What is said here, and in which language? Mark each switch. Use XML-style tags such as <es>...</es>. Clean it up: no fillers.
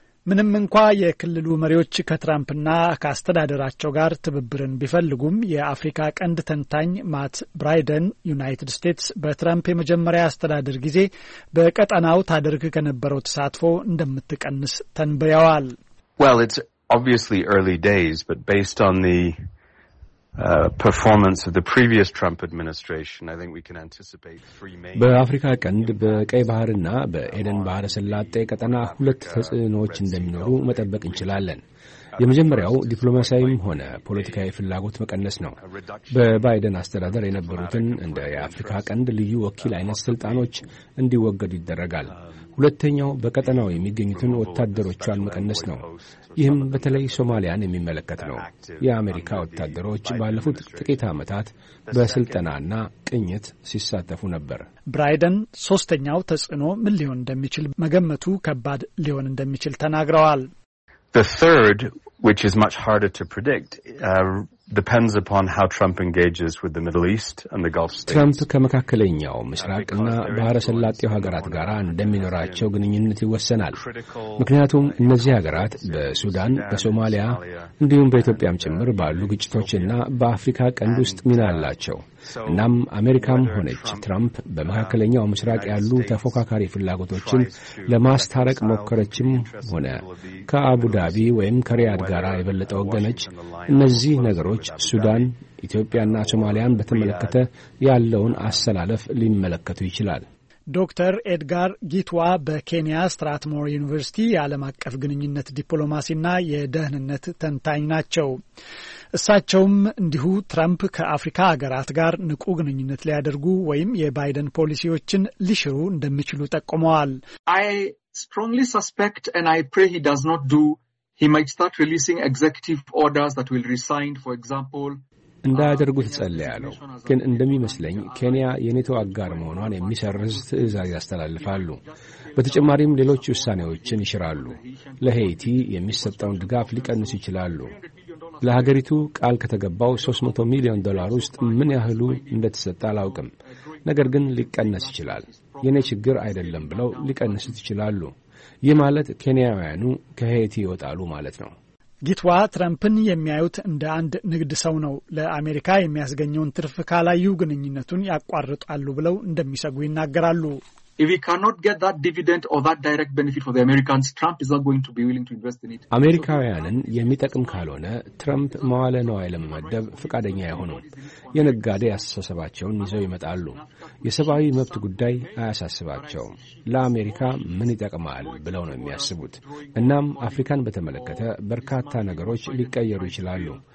<am>ምንም እንኳ የክልሉ መሪዎች ከትራምፕና ከአስተዳደራቸው ጋር ትብብርን ቢፈልጉም የአፍሪካ ቀንድ ተንታኝ ማት ብራይደን ዩናይትድ ስቴትስ በትራምፕ የመጀመሪያ አስተዳደር ጊዜ በቀጠናው ታደርግ ከነበረው ተሳትፎ እንደምትቀንስ ተንብየዋል።</am> <en>Well, it's obviously early days, but based on the performance of the previous Trump administration, I think we can anticipate three main.</en> <am>በአፍሪካ ቀንድ በቀይ ባህርና በኤደን ባህረ ሰላጤ ቀጠና ሁለት ተጽዕኖዎች እንደሚኖሩ መጠበቅ እንችላለን። የመጀመሪያው ዲፕሎማሲያዊም ሆነ ፖለቲካዊ ፍላጎት መቀነስ ነው። በባይደን አስተዳደር የነበሩትን እንደ የአፍሪካ ቀንድ ልዩ ወኪል አይነት ስልጣኖች እንዲወገዱ ይደረጋል። ሁለተኛው በቀጠናው የሚገኙትን ወታደሮቿን መቀነስ ነው። ይህም በተለይ ሶማሊያን የሚመለከት ነው። የአሜሪካ ወታደሮች ባለፉት ጥቂት ዓመታት በስልጠናና ቅኝት ሲሳተፉ ነበር። ብራይደን ሶስተኛው ተጽዕኖ ምን ሊሆን እንደሚችል መገመቱ ከባድ ሊሆን እንደሚችል ተናግረዋል።</am> <en>The third, which is much harder to predict, depends upon how Trump engages with the Middle East and the Gulf states.</en> <am>ትራምፕ ከመካከለኛው ምስራቅና ባህረ ሰላጤው ሀገራት ጋር እንደሚኖራቸው ግንኙነት ይወሰናል። ምክንያቱም እነዚህ ሀገራት በሱዳን፣ በሶማሊያ እንዲሁም በኢትዮጵያም ጭምር ባሉ ግጭቶችና በአፍሪካ ቀንድ ውስጥ ሚና አላቸው። እናም አሜሪካም ሆነች ትራምፕ በመካከለኛው ምስራቅ ያሉ ተፎካካሪ ፍላጎቶችን ለማስታረቅ ሞከረችም ሆነ ከአቡ ዳቢ ወይም ከሪያድ ጋር የበለጠ ወገነች፣ እነዚህ ነገሮች ሱዳን፣ ኢትዮጵያና ሶማሊያን በተመለከተ ያለውን አሰላለፍ ሊመለከቱ ይችላል። ዶክተር ኤድጋር ጊትዋ በኬንያ ስትራትሞር ዩኒቨርሲቲ የዓለም አቀፍ ግንኙነት ዲፕሎማሲና የደህንነት ተንታኝ ናቸው። እሳቸውም እንዲሁ ትራምፕ ከአፍሪካ ሀገራት ጋር ንቁ ግንኙነት ሊያደርጉ ወይም የባይደን ፖሊሲዎችን ሊሽሩ እንደሚችሉ ጠቁመዋል።</am> <en>I strongly suspect and I pray he does not do. He might start releasing executive orders that will resign, for example.</en> <am>እንዳደረጉት ጸልያለሁ። ግን እንደሚመስለኝ ኬንያ የኔቶ አጋር መሆኗን የሚሰርዝ ትዕዛዝ ያስተላልፋሉ። በተጨማሪም ሌሎች ውሳኔዎችን ይሽራሉ። ለሄይቲ የሚሰጠውን ድጋፍ ሊቀንሱ ይችላሉ። ለሀገሪቱ ቃል ከተገባው 300 ሚሊዮን ዶላር ውስጥ ምን ያህሉ እንደተሰጠ አላውቅም። ነገር ግን ሊቀነስ ይችላል። የኔ ችግር አይደለም ብለው ሊቀንሱት ይችላሉ። ይህ ማለት ኬንያውያኑ ከሄይቲ ይወጣሉ ማለት ነው። ጊትዋ ትራምፕን የሚያዩት እንደ አንድ ንግድ ሰው ነው። ለአሜሪካ የሚያስገኘውን ትርፍ ካላዩ ግንኙነቱን ያቋርጣሉ ብለው እንደሚሰጉ ይናገራሉ።</am> <en>If we cannot get that dividend or that direct benefit for the Americans, Trump is not going to be willing to invest in it.</en> <am>አሜሪካውያንን የሚጠቅም ካልሆነ ትራምፕ መዋለ ነዋይ ለመመደብ ፈቃደኛ አይሆኑም። የነጋዴ አስተሳሰባቸውን ይዘው ይመጣሉ። የሰብአዊ መብት ጉዳይ አያሳስባቸውም። ለአሜሪካ ምን ይጠቅማል ብለው ነው የሚያስቡት። እናም አፍሪካን በተመለከተ በርካታ ነገሮች ሊቀየሩ ይችላሉ።</am>